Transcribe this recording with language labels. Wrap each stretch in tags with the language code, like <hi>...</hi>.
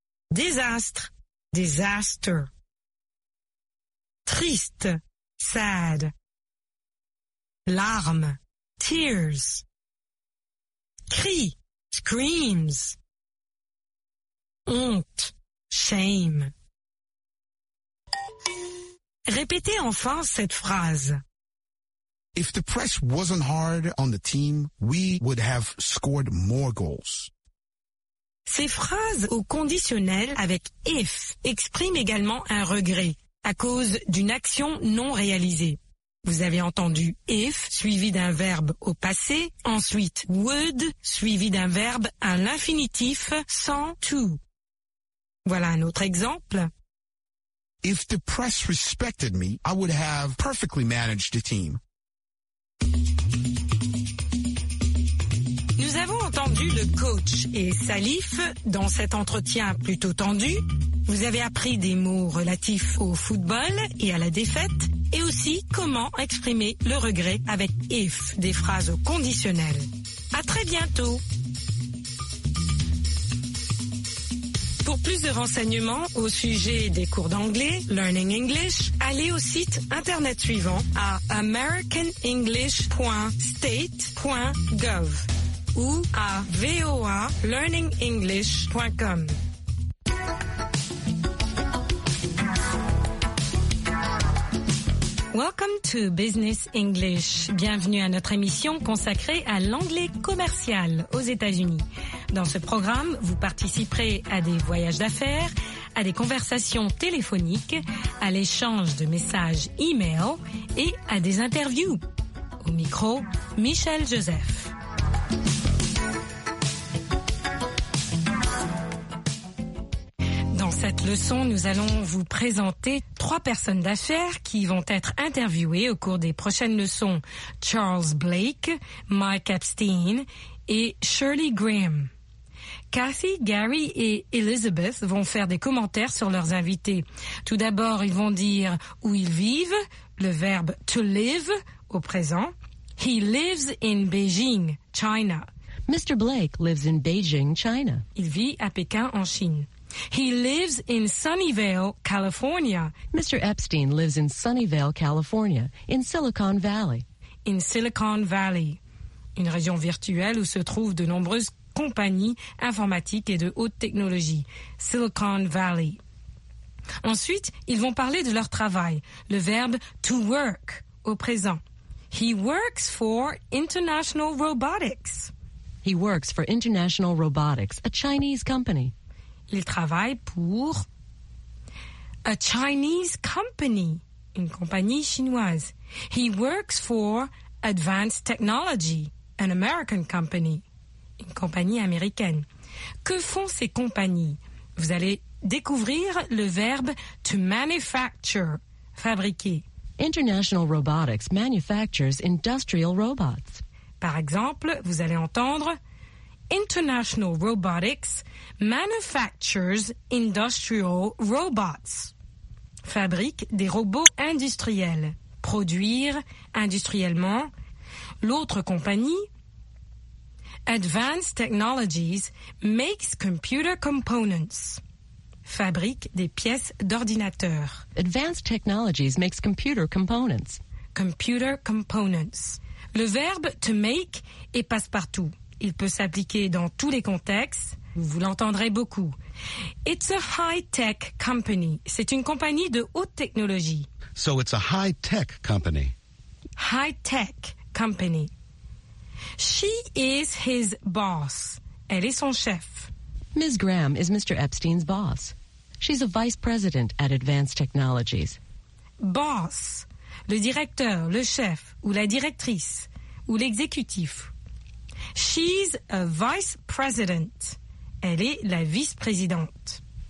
<fr>Désastre, disaster. Triste, sad. Larmes, tears. crie, screams. Honte, shame. Répétez enfin cette phrase.</fr> <en>If the press wasn't hard on the team, we would have scored more goals.</en> <fr>Ces phrases au conditionnel avec if expriment également un regret à cause d'une action non réalisée. Vous avez entendu if suivi d'un verbe au passé, ensuite would suivi d'un verbe à l'infinitif sans to. Voilà un autre exemple.</fr> <en>If the press respected me, I would have perfectly managed the team.</en> <fr>Nous avons entendu le coach et Salif dans cet entretien plutôt tendu. Vous avez appris des mots relatifs au football et à la défaite et aussi comment exprimer le regret avec if, des phrases au conditionnel. À très bientôt. Pour plus de renseignements au sujet des cours d'anglais, Learning English, allez au site internet suivant à americanenglish.state.gov ou à voalearningenglish.com.</fr> <en>Welcome to Business English.</en> <fr>Bienvenue à notre émission consacrée à l'anglais commercial aux États-Unis. Dans ce programme, vous participerez à des voyages d'affaires, à des conversations téléphoniques, à l'échange de messages e-mail et à des interviews. Au micro, Michel Joseph. Dans cette leçon, nous allons vous présenter trois personnes d'affaires qui vont être interviewées au cours des prochaines leçons. Charles Blake, Mike Epstein et Shirley Graham. Kathy, Gary et Elizabeth vont faire des commentaires sur leurs invités. Tout d'abord, ils vont dire où ils vivent, le verbe to live au présent.</fr> <en>He lives in Beijing, China. Mr. Blake lives in Beijing, China.</en> <fr>Il vit à Pékin, en Chine.</fr> <en>He lives in Sunnyvale, California. Mr. Epstein lives in Sunnyvale, California, in Silicon Valley.</en> <fr>In Silicon Valley, une région virtuelle où se trouvent de nombreuses compagnies informatiques et de haute technologie. Silicon Valley. Ensuite, ils vont parler de leur travail. Le verbe to work au présent.</fr> <en>He works for International Robotics. He works for International Robotics, a Chinese company.</en> <fr>Il travaille pour</fr> <en>a Chinese company,</en> <fr>une compagnie chinoise.</fr> <en>He works for Advanced Technology, an American company,</en> <fr>une compagnie américaine. Que font ces compagnies? Vous allez découvrir le verbe to manufacture, fabriquer.</fr> <en>International Robotics manufactures industrial robots.</en> <fr>Par exemple, vous allez entendre</fr> <en>International Robotics manufactures industrial robots.</en> <fr>Fabrique des robots industriels. Produire industriellement. L'autre compagnie,</fr> <en>Advanced Technologies makes computer components.</en> <fr>Fabrique des pièces d'ordinateur.</fr> <en>Advanced Technologies makes computer components. Computer components.</en> <fr>Le verbe to make est passe-partout. Il peut s'appliquer dans tous les contextes. Vous l'entendrez beaucoup.</fr> <en>It's a high-tech company.</en> <fr>C'est une compagnie de haute technologie.</fr> <en>So it's a high-tech company. High-tech company. She is his boss.</en> <fr>Elle est son chef.</fr> <en>Ms. Graham is Mr. Epstein's boss. She's a vice president at Advanced Technologies. Boss.</en> <fr>Le directeur, le chef, ou la directrice, ou l'exécutif.</fr> <en>She's a vice president.</en> <fr>Elle est la vice-présidente.</fr>